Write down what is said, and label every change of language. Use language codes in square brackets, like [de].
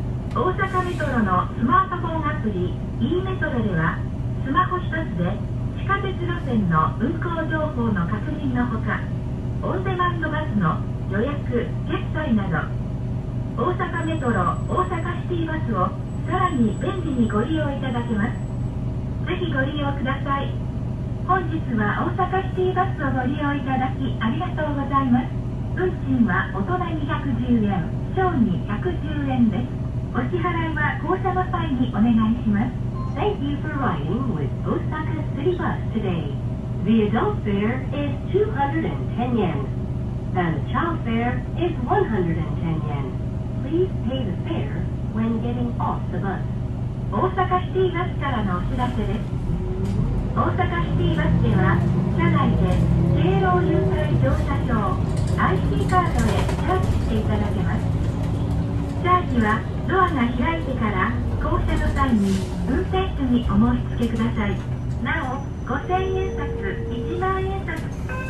[ja] 大阪メトロのスマートフォンアプリ e メトロでは、スマホ一つで地下鉄路線の運行情報の確認のほか、オンデマンドバスの予約、決済など、大阪メトロ、大阪シティバスをさらに便利にご利用いただけます。ぜひご利用ください。本日は大阪シティバスをご利用いただきありがとうございます。運賃は大人210円、小児110円です。お支払いは降車の際にお願いします。 [en] Thank you for riding with Osaka City Bus today. The adult fare is 210 yen and child fare is 110 yen. Please pay the fare when getting off the bus. [ja] 大阪シティバスからのお知らせです。大阪シティバスでは、車内で敬老優待乗車証 IC カードへチャージしていただけます。チャージはドアが開いてから降車の際に運転手にお申し付けください。なお、5000円札、1万円札